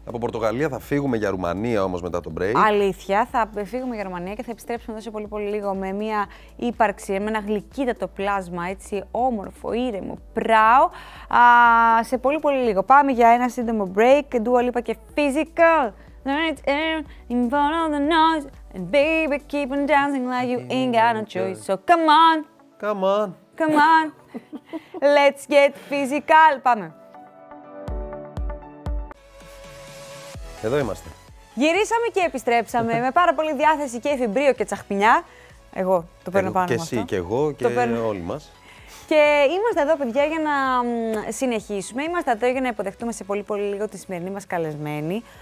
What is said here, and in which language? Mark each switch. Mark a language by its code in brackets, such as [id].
[el] Από Πορτογαλία θα φύγουμε για Ρουμανία όμως μετά τον break. Αλήθεια, θα φύγουμε για Ρουμανία και θα επιστρέψουμε εδώ σε πολύ πολύ λίγο με μια ύπαρξη, με ένα γλυκύτατο πλάσμα, έτσι όμορφο, ήρεμο, πράο. Σε πολύ πολύ λίγο. Πάμε για ένα σύντομο break, Dua Lipa και Physical. [en] In front of the noise, and baby keep on dancing like you ain't got no choice. So come on, come on, come on. Let's get physical, [el] πάμε. Εδώ είμαστε. Γυρίσαμε και επιστρέψαμε με πάρα πολύ διάθεση και εφημπρίο και τσαχπινιά. Εγώ το παίρνω πάνω και εσύ αυτό. Και εγώ και όλοι μας. Και είμαστε εδώ, παιδιά, για να συνεχίσουμε. Είμαστε εδώ για να υποδεχτούμε σε πολύ πολύ λίγο τη σημερινή μας καλεσμένη.